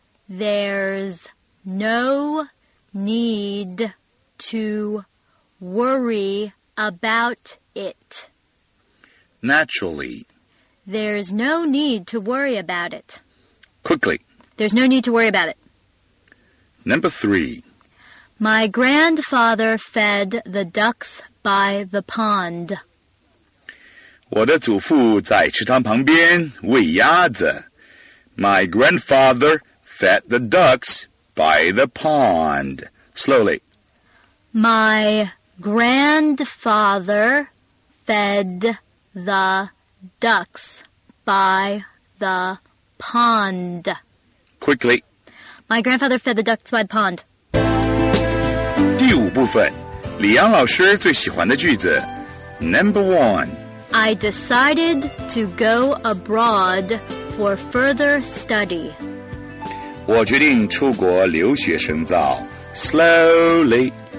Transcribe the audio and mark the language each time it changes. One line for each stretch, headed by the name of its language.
English: There's no need to worry about it. Naturally. There's no need to worry about it. Quickly. There's no need to worry about it. Number 3. My grandfather fed the ducks by the pond.
Chinese: 我的祖父在池塘旁边喂鸭子。
English: My grandfather fed the ducks by the pond. Slowly. My grandfather fed the ducks by the pond. Quickly. My grandfather fed the ducks by the pond.
Chinese: 第五部分，李阳老师最喜欢的句子。
English: Number 1. I decided to go abroad for further study.
Chinese: 我决定出国留学深造。
English: Slowly.